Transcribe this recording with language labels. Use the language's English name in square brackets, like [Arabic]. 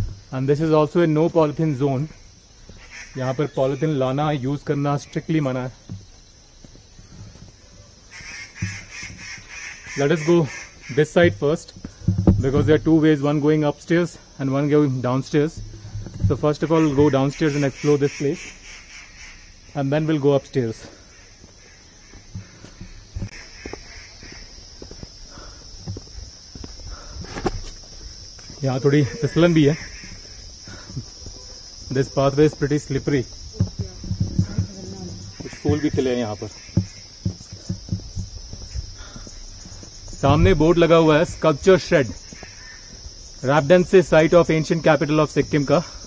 [English] And this is also a no polythene zone. [Hindi] यहाँ पर polythene लाना यूज करना स्ट्रिक्टली मना है। [English] Let us go this side first, because there are two ways, one going upstairs and one going downstairs. So first of all, we'll go downstairs and explore this place, and then we'll go upstairs. [Hindi] यहाँ थोड़ी फिसलन भी है। [English] This pathway is pretty slippery. [Hindi] कुछ फूल भी खिले हैं यहाँ पर। सामने बोर्ड लगा हुआ है sculpture shade, Rabdentse site of ancient capital of Sikkim का।